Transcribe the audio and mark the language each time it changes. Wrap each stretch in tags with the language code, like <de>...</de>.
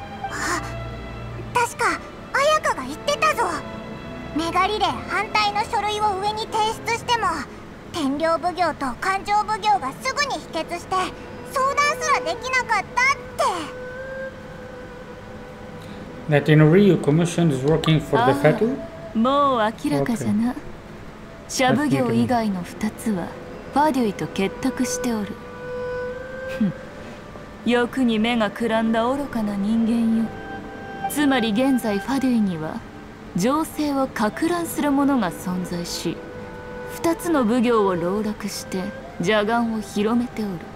<ja>あ、確か綾香が言ってたぞ。メガリレー反対の書類を上に提出しても、天領奉行と勘定奉行がすぐに否決して相談すらできなかったって。</ja> <en>That Inoriyu Commission is working for the Fatu?</en> <ja>もう明らかじゃな。シャブ業以外の2つはファデュイと結託しておる。欲に目がくらんだ愚かな人間よ。つまり現在ファデュイには情勢を攪乱する者が存在し、2つの奉行を籠絡して邪眼を広めておる。</ja>